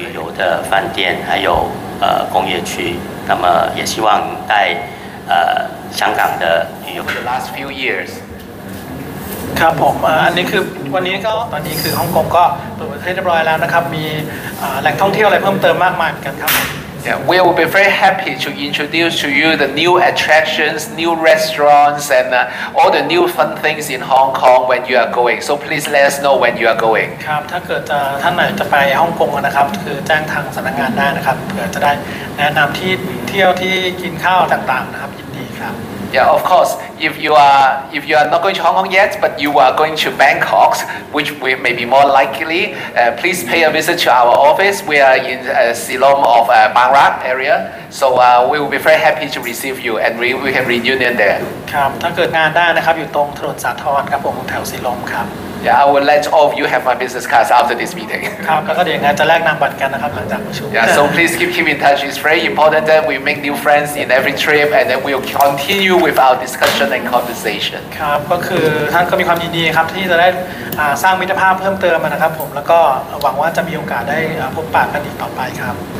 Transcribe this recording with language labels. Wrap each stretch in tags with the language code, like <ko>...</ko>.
<zh>旅游的饭店还有工业区，那么也希望带香港的旅游。</zh> <en>The last few years.</en> <th>ครับผมอันนี้คือวันนี้ก็ตอนนี้คือฮ่องกงก็เปิดประเทศเรียบร้อยแล้วนะครับมีแหล่งท่องเที่ยวอะไรเพิ่มเติมมากมายกันครับ</th> <en>Yeah, we will be very happy to introduce to you the new attractions, new restaurants, and all the new fun things in Hong Kong when you are going. So please let us know when you are going.</en> <th>ครับถ้าเกิดท่านไหนจะไปฮ่องกงนะครับคือแจ้งทางสำนักงานได้นะครับเผื่อจะได้แนะนำที่เที่ยวที่กินข้าวต่างๆนะครับยินดีครับ</th> <en>Yeah, of course. If you are not going to Hong Kong yet, but you are going to Bangkok, which may be more likely, please pay a visit to our office. We are in Silom of Bang Rak area, so we will be very happy to receive you, and we can reunion there.</en> <th>ครับถ้าเกิดงานได้นะครับอยู่ตรงถนนสาทรครับผมแถวสิลมครับ</th> <en>Yeah, I will let all of you have my business card after this meeting.</en> <th>ครับก็เดี๋ยวงานจะแลกนามบัตรกันนะครับหลังจากประชุม</th> <en>Yeah, so please keep in touch. It's very important that we make new friends in every trip, and then we'll continue with our discussion and conversation.</en> <th>ครับก็คือท่านก็มีความยินดีครับที่จะได้สร้างมิตรภาพเพิ่มเติมนะครับผมแล้วก็หวังว่าจะมีโอกาสได้พบปะกันอีกต่อไปครับ</th>